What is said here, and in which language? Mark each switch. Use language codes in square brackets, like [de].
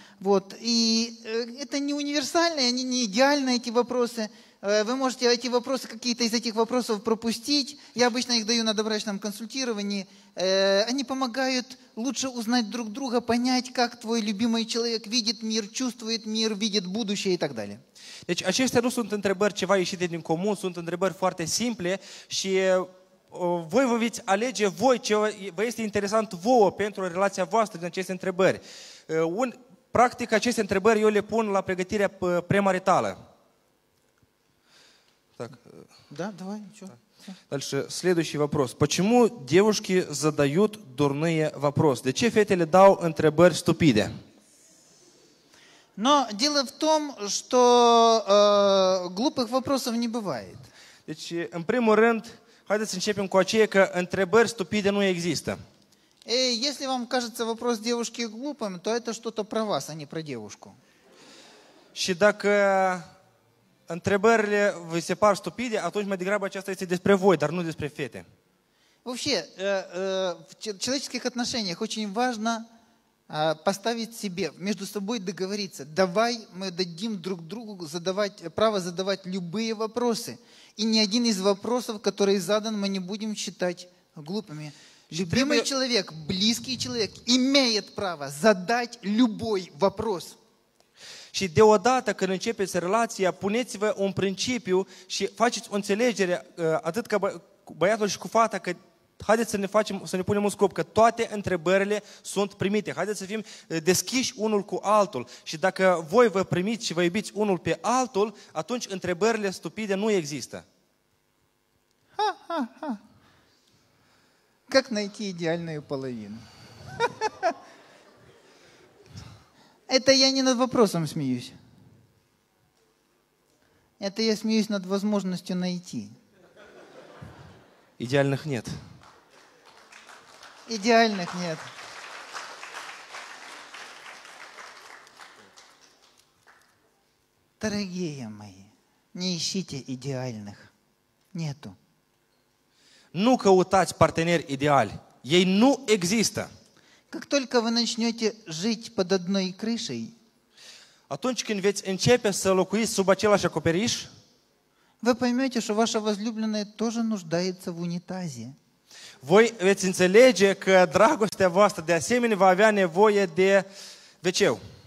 [ru] Вот, и это не универсальные, они не идеальны, эти вопросы. Вы можете эти вопросы, какие-то из этих вопросов пропустить. Я обычно их даю на добрачном консультировании. Они помогают лучше узнать друг друга, понять, как твой любимый человек видит мир, чувствует мир, видит будущее и так далее. [ro] Deci acestea nu sunt întrebări ceva ieșite din comun, sunt întrebări foarte simple și voi vă veți alege voi ce vă este interesant vouă pentru relația voastră din aceste întrebări. Practic aceste întrebări eu le pun la pregătirea premaritală. [ru] Так. Да, давай, ничего. Дальше, следующий вопрос. Почему девушки задают дурные вопросы? [ro] De ce fetele dau întrebări stupide? [ru] Но дело в том, что глупых вопросов не бывает. [ro] Deci, în primul rând, haideți să începem cu aceea că întrebări stupide nu există. [ru] Если вам кажется вопрос девушки глупым, то это что-то про вас, а не про девушку. [ro] Și dacă întrebările vi se par stupide, atunci mai degrabă aceasta este despre voi, dar nu despre fete. [ru] Вообще, в человеческих отношениях очень важно поставить себе, между собой договориться. Давай мы дадим друг другу право задавать любые вопросы. И ни один из вопросов, который задан, мы не будем считать глупыми. Любимый человек, близкий человек имеет право задать любой вопрос. [ro] Și deodată când începeți relația, puneți-vă un principiu și faceți o înțelegere atât ca băiatul și cu fata că haideți să ne facem, să ne punem un scop, că toate întrebările sunt primite. Haideți să fim deschiși unul cu altul. Și dacă voi vă primiți și vă iubiți unul pe altul, atunci întrebările stupide nu există. Ha, ha, ha. [ru] Как найти идеальную половину? Это я не над вопросом смеюсь. Это я смеюсь над возможностью найти. Идеальных нет. Идеальных нет. Дорогие мои, не ищите идеальных. Нету. [ro] Ну каутать партнер идеаль. Ей ну экзиста. [ru] Как только вы начнете жить под одной крышей, [ro] atunci când veți începe să locuiți sub același acoperiș, [ru] вы поймете, что ваша возлюбленная тоже нуждается в унитазе. [ro] Voi veți înțelege că dragostea voastră de asemenea va avea nevoie de veceu.